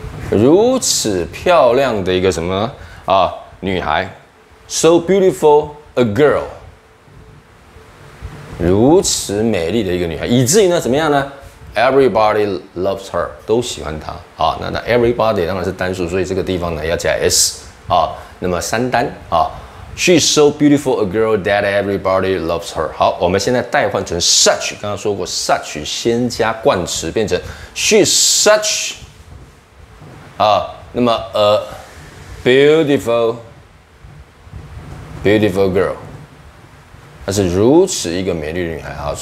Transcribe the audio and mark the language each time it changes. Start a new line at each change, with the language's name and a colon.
Chinese: 如此漂亮的一个什么啊女孩 ，
English: so beautiful a girl，
Chinese: 如此美丽的一个女孩，以至于呢怎么样呢 ？
English: Everybody loves her，
Chinese: 都喜欢她啊。那 everybody 当然是单数，所以这个地方呢要加 s 啊。那么三单啊
English: ，She's so beautiful a girl that everybody loves her。
Chinese: 好，我们现在代换成 such， 刚刚说过 such 先加冠词变成
English: she's such。
Chinese: 啊，那么
English: beautiful girl，
Chinese: 她是如此一个美丽女孩啊。